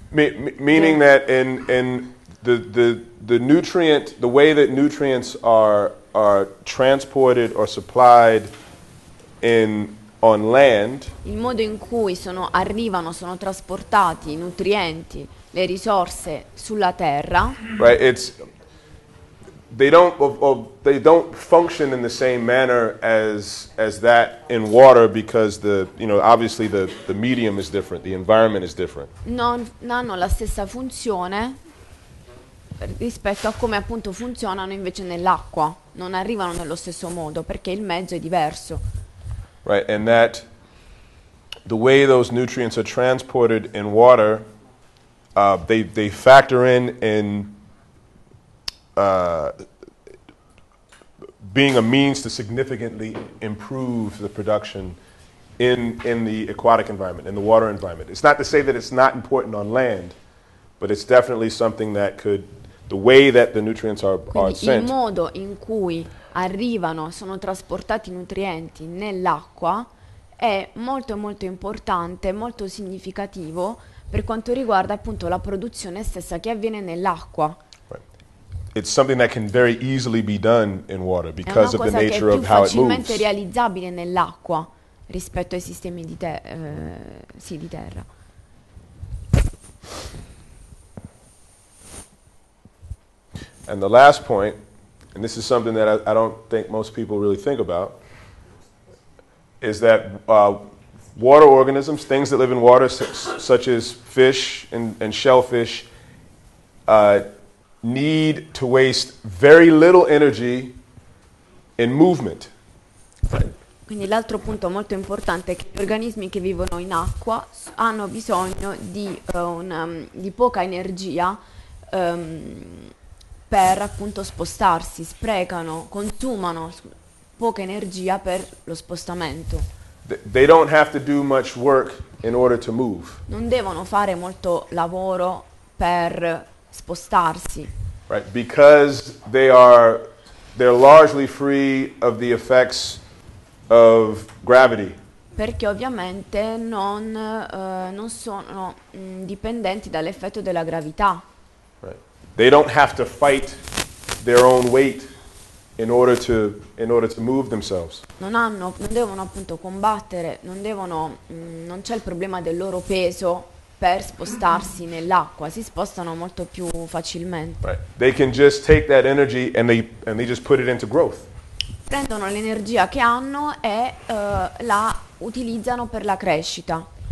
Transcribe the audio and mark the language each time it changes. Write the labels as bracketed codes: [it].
[en] Meaning that in the nutrient, the way that nutrients are transported or supplied on land. [it] Il modo in cui sono trasportati i nutrienti, le risorse sulla terra. [en] Right, it's they don't function in the same manner as that in water, because the, you know, obviously the medium is different, the environment is different. [it] Non hanno la stessa funzione rispetto a come appunto funzionano invece nell'acqua. Non arrivano nello stesso modo perché il mezzo è diverso. [en] Right, and that the way those nutrients are transported in water, they factor in being a means to significantly improve the production in the aquatic environment, in the water environment. It's not to say that it's not important on land, but it's definitely something that could, the way that the nutrients are sent. [it] Il modo in cui arrivano, sono trasportati i nutrienti nell'acqua è molto molto importante, molto significativo per quanto riguarda appunto la produzione stessa che avviene nell'acqua. [en] It's something that can very easily be done in water because of the nature of how it moves. [it] È facilmente realizzabile nell'acqua rispetto ai sistemi di di terra. [en] And the last point, and this is something that I don't think most people really think about, is that water organisms, things that live in water, such as fish and shellfish, need to waste very little energy in movement. [it] Quindi l'altro punto molto importante è che gli organismi che vivono in acqua hanno bisogno di poca energia per appunto spostarsi, consumano poca energia per lo spostamento. [en] They don't have to do much work in order to move. [it] Non devono fare molto lavoro per spostarsi. [en] Right, because they're largely free of the effects of gravity. [it] Perché ovviamente non sono dipendenti dall'effetto della gravità. [en] Right. They don't have to fight their own weight in order to move themselves. [it] Non c'è il problema del loro peso per spostarsi nell'acqua, si spostano molto più facilmente. [en] Right. They can just take that energy and they just put it into growth. [it] Prendono l'energia che hanno e la utilizzano per la crescita.